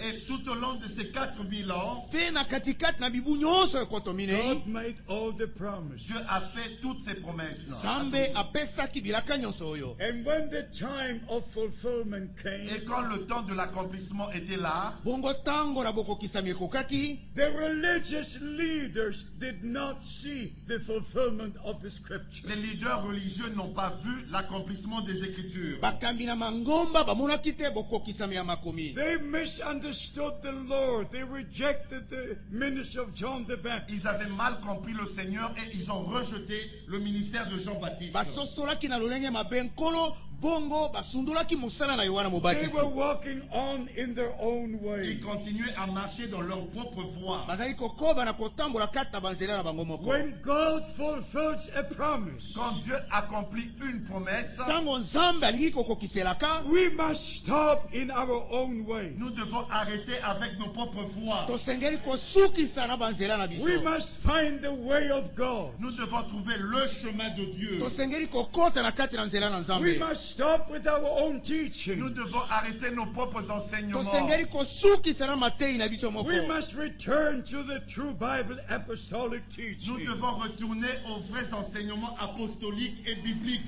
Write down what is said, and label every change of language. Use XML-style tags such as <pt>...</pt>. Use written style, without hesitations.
<fr>Et tout au long de ces 4,000 ans.</fr> <en>God made all the promises.</en> <fr>Dieu a fait toutes ses promesses.</fr> <en>And when the time of fulfillment came.</en> <fr>Et quand le temps de l'accomplissement était là.</fr> <ln>Bongo tango na bokokisami ekokaki.</ln> <en>The religious leaders did not see the fulfillment of the scripture.</en> <fr>Les leaders religieux n'ont pas vu l'accomplissement des écritures.</fr> <ln>Bakambi na mangomba.</ln> <en>They misunderstood the Lord. They rejected the ministry of John the Baptist.</en> <fr>Ils avaient mal compris le Seigneur et ils ont rejeté le ministère de Jean Baptiste.</fr> <ln>Bongo basundulaki musala na Yohana Mobatisi.</ln> <en>They were walking on in their own way.</en> <fr>Ils continuaient à marcher dans leur propre voie.</fr> <en>When God fulfills a promise.</en> <fr>Quand Dieu accomplit une promesse.</fr> <en>We must stop in our own way.</en> <fr>Nous devons arrêter avec nos propres voies.</fr> <en>We must find the way of God.</en> <fr>Nous devons trouver le chemin de Dieu.</fr> <en>Stop with our own teaching.</en> <fr>Nous devons arrêter nos propres enseignements.</fr> <en>We must return to the true Bible apostolic teaching.</en> <fr>Nous devons retourner aux vrais enseignements apostoliques et bibliques.</fr>